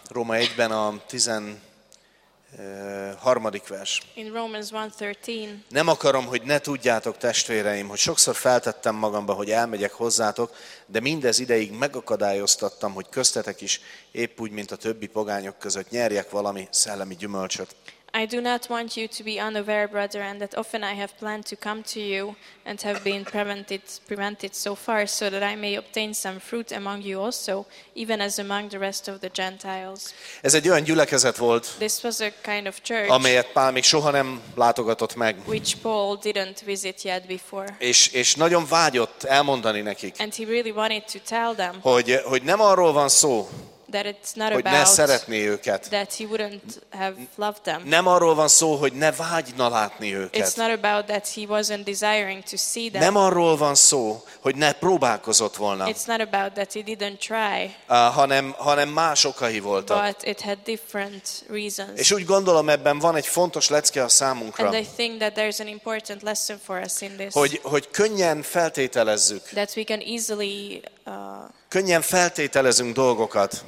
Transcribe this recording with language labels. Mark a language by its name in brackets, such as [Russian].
[Hungarian] Róma 1-ben a 13. vers. [English] In Romans 1:13. [Hungarian] Nem akarom, hogy ne tudjátok, testvéreim, hogy sokszor feltettem magamba, hogy elmegyek hozzátok, de mindez ideig megakadályoztattam, hogy köztetek is, épp úgy, mint a többi pogányok között, nyerjek valami szellemi gyümölcsöt. [English] I do not want you to be unaware, brother, and that often I have planned to come to you and have been prevented so far, so that I may obtain some fruit among you also, even as among the rest of the Gentiles. [Hungarian] Ez egy olyan gyülekezet volt, [English] this was a kind of church, [Hungarian] amelyet Pál még soha nem látogatott meg, [English] which Paul didn't visit yet before. [Hungarian] És nagyon vágyott elmondani nekik, [English] and he really wanted to tell them, [Hungarian] hogy nem arról van szó, [English] that it's not [Hungarian] hogy [English] about [Hungarian] ne szeretné őket. [English] That he wouldn't have loved them. [Hungarian] Nem arról van szó, hogy ne vágyna látni őket. [English] It's not about that he wasn't desiring to see them. [Hungarian] Nem arról van szó, hogy ne próbálkozott volna. [English] It's not about that he didn't try. [Hungarian] Hanem más okai voltak. [English] But it had different reasons. [Hungarian] És úgy gondolom, ebben van egy fontos lecke a számunkra. [English] And I think that there's an important lesson for us in this. [Hungarian] Hogy könnyen feltételezzük. [English] That we can easily [Hungarian] könnyen feltételezünk dolgokat.